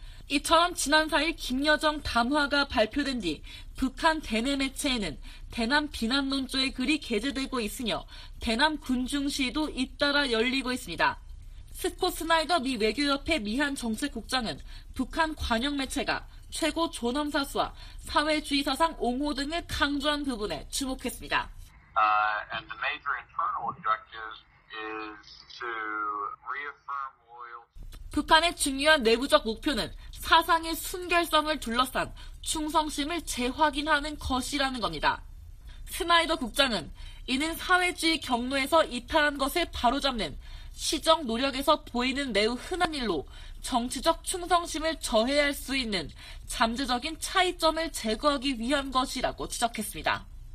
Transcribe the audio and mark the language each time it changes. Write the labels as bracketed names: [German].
[Korean] 이처럼 지난 4일 김여정 담화가 발표된 뒤 북한 대내 매체에는 대남 비난 논조의 글이 게재되고 있으며 대남 군중 시위도 잇따라 열리고 있습니다. 스콧 스나이더 미 외교협회 미한정책국장은 북한 관영 매체가 최고 존엄사수와 사회주의 사상 옹호 등을 강조한 부분에 주목했습니다. [English] And the major internal objectives is to reaffirm loyalty. [Korean] 북한의 중요한 내부적 목표는 사상의 순결성을 둘러싼 충성심을 재확인하는 것이라는 겁니다. 스나이더 국장은 이는 사회주의 경로에서 이탈한 것을 바로잡는 시정 노력에서 보이는 매우 흔한 일로 정치적 충성심을 저해할 수 있는 잠재적인 차이점을 제거하기 위한 것이라고 지적했습니다.